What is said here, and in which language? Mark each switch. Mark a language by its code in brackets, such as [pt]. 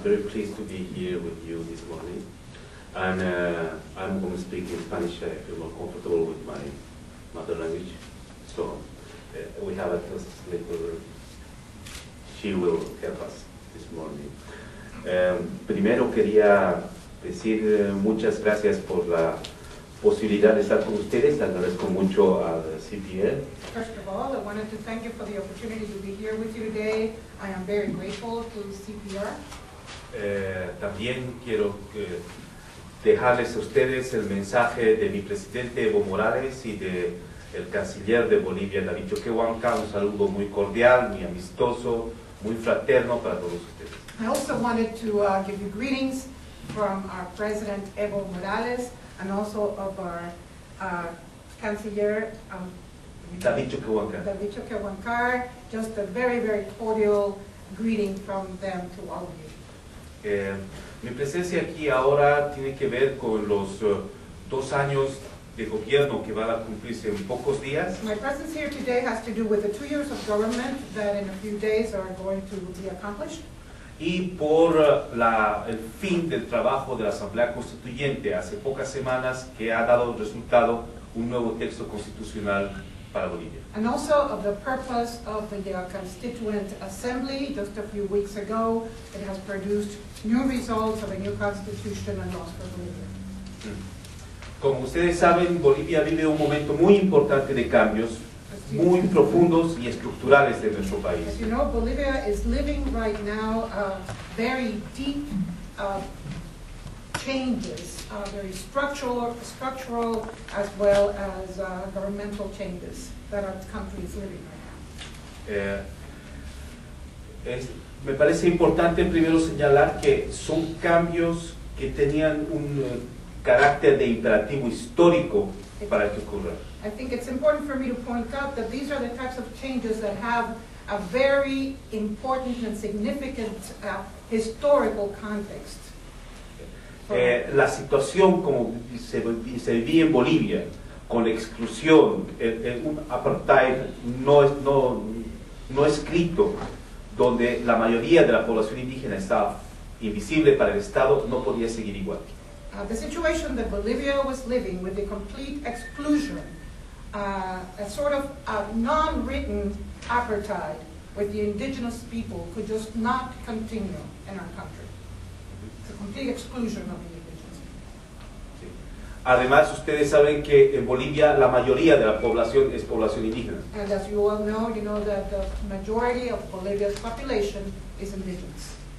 [en] Pleased to be here with you this morning, and I'm going to speak in Spanish. I feel more comfortable with my mother language, so we have a translator. She will help us this morning. [es] Primero quería decir muchas gracias por la posibilidad de estar con ustedes. Agradezco mucho al CPL. [en] First of all, I wanted to thank you for the opportunity to be here with you today. I am very grateful to CPR. [es] También quiero dejarles a ustedes el mensaje de mi presidente Evo Morales y del canciller de Bolivia, David Choquehuanca. Un saludo muy cordial, muy amistoso, muy fraterno para todos ustedes. [en] I also wanted to give you greetings from our president Evo Morales and also of our canciller David Choquehuanca. David Choquehuanca, just a very, very cordial greeting from them to all of you. [es] Mi presencia aquí ahora tiene que ver con los dos años de gobierno que van a cumplirse en pocos días. [en] My presence here today has to do with the 2 years of government that in a few days are going to be accomplished. [es] Y por el fin del trabajo de la Asamblea Constituyente hace pocas semanas, que ha dado resultado un nuevo texto constitucional para Bolivia. [en] And also of the purpose of the Constituent Assembly, just a few weeks ago, it has produced new results of a new constitution and laws for Bolivia. [es] Como ustedes saben, Bolivia vive un momento muy importante de cambios, muy profundos y estructurales de nuestro país. [en] As you know, Bolivia is living right now very deep changes, very structural as well as governmental changes that our country is living right now. [es] Me parece importante primero señalar que son cambios que tenían un carácter de imperativo histórico para que ocurra. [en] I think it's important for me to point out that these are the types of changes that have a very important and significant historical context. [es] La situación como se vivía en Bolivia, con la exclusión, un apartheid no escrito, donde la mayoría de la población indígena estaba invisible para el Estado, no podía seguir igual. [en] The situation that Bolivia was living with the complete exclusion, a sort of a non-written apartheid with the indigenous people could just not continue in our country. Complete exclusion of the indigenous. [es] Sí. Además, ustedes saben que en Bolivia la mayoría de la población es población indígena. [en] And as you all know, you know that the majority of Bolivia's population is indigenous.